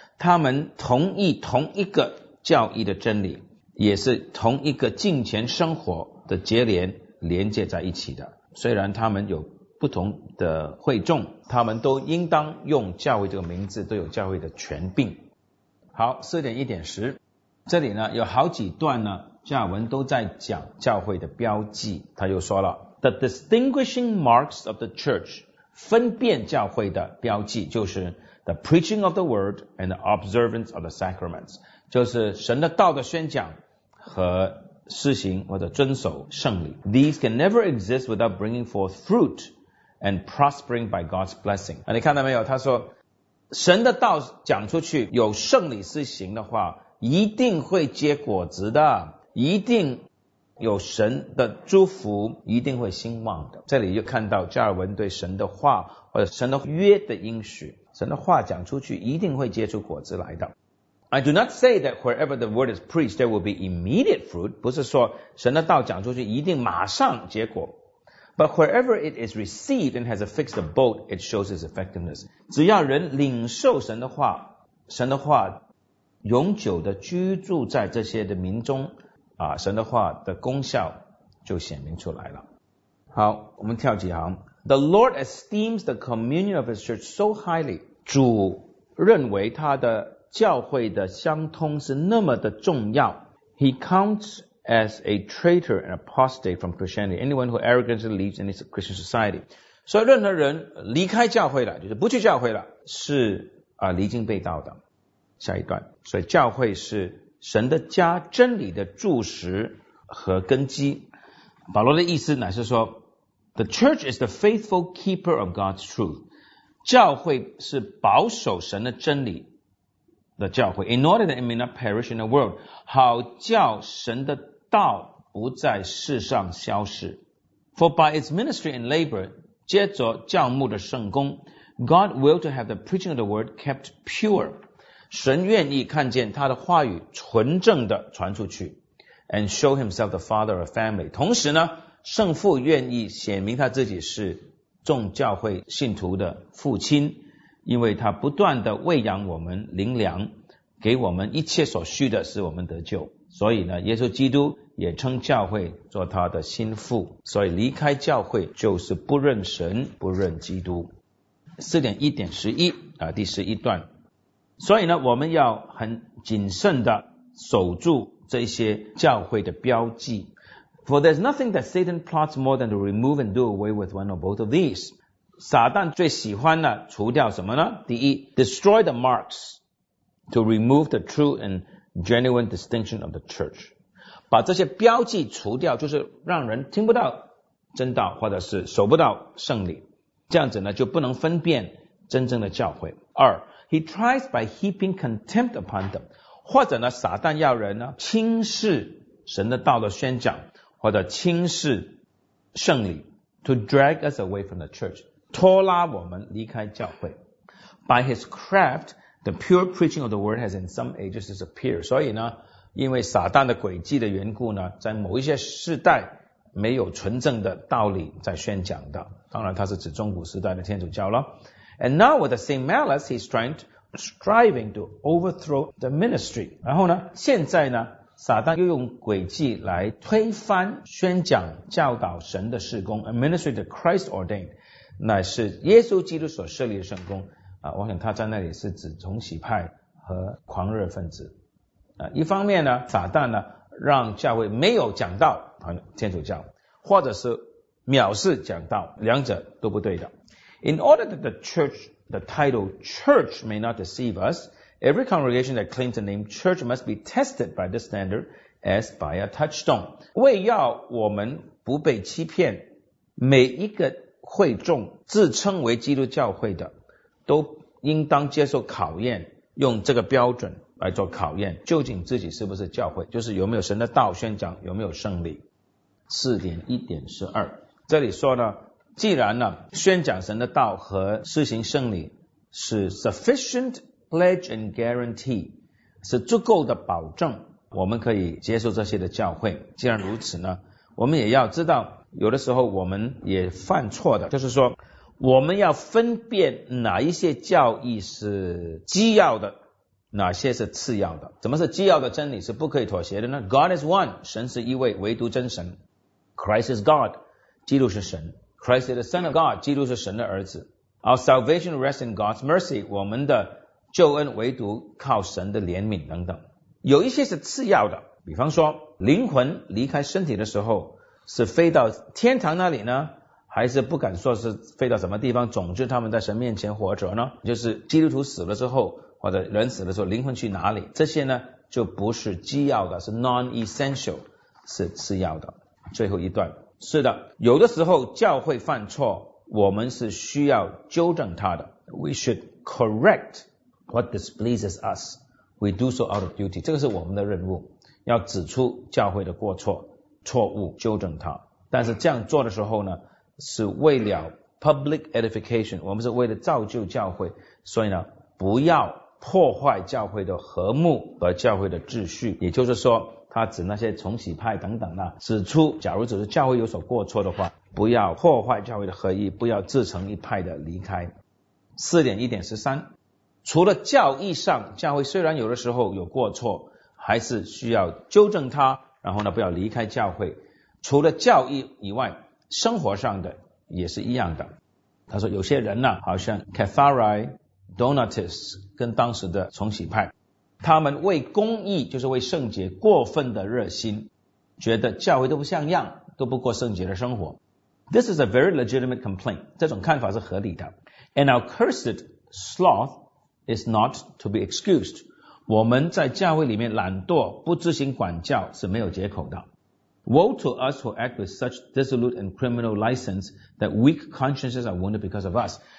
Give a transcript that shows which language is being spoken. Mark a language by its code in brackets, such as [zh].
[zh] 他们同意同一个教义的真理，也是同一个敬虔生活的结连连接在一起的。虽然他们有不同的会众，他们都应当用教会这个名字，都有教会的权柄。好， 4.1.10 这里呢有好几段呢加尔文都在讲教会的标记。他又说了 [en] The distinguishing marks of the church， [zh] 分辨教会的标记就是 [en] The preaching of the word and the observance of the sacraments， [zh] 就是神的道的宣讲和施行或者遵守圣礼。 [en] These can never exist without bringing forth fruit and prospering by God's blessing。 [zh] 你看到没有，他说神的道讲出去有圣礼施行的话，一定会结果子的，一定有神的祝福，一定会兴旺的。这里就看到加尔文对神的话或者神的约的应许，神的话讲出去一定会结出果子来的。 [en] I do not say that wherever the word is preached, there will be immediate fruit. [zh] 不是说神的道讲出去一定马上结果。 [en] But wherever it is received and has a fixed abode, it shows its effectiveness. [zh] 只要人领受神的话，神的话永久的居住在这些的民中，啊，神的话的功效就显明出来了。好，我们跳几行。 [en] The Lord esteems the communion of his church so highly. [zh] 主认为他的教会的相通是那么的重要。 [en] He counts as a traitor and apostate from Christianity anyone who arrogantly leaves any Christian society。 [zh] 所以任何人离开教会了，就是不去教会了，是离经背道的。下一段，所以教会是神的家，真理的柱石和根基。保罗的意思乃是说 [en] The church is the faithful keeper of God's truth。 [zh] 教会是保守神的真理的教会。 [en] In order that it may not perish in the world， [zh] 好叫神的道不在世上消失。 [en] For by its ministry and labor， [zh] 接着教牧的圣功， [en] God will to have the preaching of the word kept pure。 [zh] 神愿意看见他的话语纯正的传出去。 [en] And show himself the father of family， [zh] 同时呢圣父愿意显明他自己是众教会信徒的父亲，因为他不断地喂养我们灵粮，给我们一切所需的，使我们得救。所以呢，耶稣基督也称教会做他的心腹。所以离开教会就是不认神，不认基督。 4.1.11 啊，第十一段。所以呢，我们要很谨慎地守住这些教会的标记。 [en] For there's nothing that Satan plots more than to remove and do away with one or both of these。 [zh] 撒旦最喜欢呢除掉什么呢？第一 [en] destroy the marks to remove the true and genuine distinction of the church， [zh] 把这些标记除掉，就是让人听不到真道，或者是守不到圣礼，这样子呢就不能分辨真正的教会。二 [en] he tries by heaping contempt upon them， [zh] 或者呢撒旦要人呢轻视神的道的宣讲，或者轻视圣礼， [en] to drag us away from the church， [zh] 拖拉我们离开教会。 [en] By his craft, the pure preaching of the word has in some ages disappeared. [zh] 所以呢，因为撒旦的诡计的缘故呢，在某一些世代没有纯正的道理在宣讲的。当然，他是指中古时代的天主教了。 [en] And now with the same malice, he's striving to overthrow the ministry. [zh] 然后呢，现在呢，撒旦又用诡计来推翻宣讲教导神的事工 ， [en] a ministry that Christ ordained， [zh] 那是耶稣基督所设立的圣工。啊，我想他在那里是指重启派和狂热分子。啊，一方面呢，撒旦呢让教会没有讲道，天主教，或者是藐视讲道，两者都不对的。 [en] In order that the church, the title church may not deceive us, every congregation that claims the name church must be tested by this standard as by a touchstone. [zh] 为要我们不被欺骗，每一个会众自称为基督教会的都应当接受考验，用这个标准来做考验，究竟自己是不是教会，就是有没有神的道宣讲，有没有圣礼。 4.1.12 这里说呢，既然呢宣讲神的道和施行圣礼是 [en] sufficient pledge and guarantee， [zh] 是足够的保证我们可以接受这些的教会，既然如此呢，我们也要知道有的时候我们也犯错的，就是说我们要分辨哪一些教义是基要的，哪些是次要的。怎么是基要的真理是不可以妥协的呢？ [en] God is one， [zh] 神是一位唯独真神。 [en] Christ is God， [zh] 基督是神。 [en] Christ is the Son of God， [zh] 基督是神的儿子。 [en] Our salvation rests in God's mercy， [zh] 我们的救恩唯独靠神的怜悯等等。有一些是次要的，比方说灵魂离开身体的时候是飞到天堂那里呢，还是不敢说是飞到什么地方，总之他们在神面前活着呢，就是基督徒死了之后或者人死了之后灵魂去哪里，这些呢就不是基要的，是 non-essential， 是次要的。最后一段，是的，有的时候教会犯错，我们是需要纠正他的。 [en] We should correct what displeases us， We do so out of duty， [zh] 这个是我们的任务，要指出教会的过错错误，纠正他。但是这样做的时候呢，是为了 [en] public edification， [zh] 我们是为了造就教会，所以呢不要破坏教会的和睦和教会的秩序。也就是说他指那些重启派等等呢，指出假如只是教会有所过错的话，不要破坏教会的合一，不要自成一派的离开。 4.1.13 除了教义上，教会虽然有的时候有过错，还是需要纠正他，然后呢不要离开教会。除了教义以外，生活上的也是一样的。他说有些人呢，好像 Cathari Donatists 跟当时的重启派，他们为公义就是为圣洁过分的热心，觉得教会都不像样，都不过圣洁的生活。 [en] This is a very legitimate complaint， [zh] 这种看法是合理的。 [en] And our cursed sloth is not to be excused， [zh] 我们在教会里面懒惰不执行管教是没有借口的。 [en] Woe to us who act with such dissolute and criminal license that weak consciences are wounded because of us.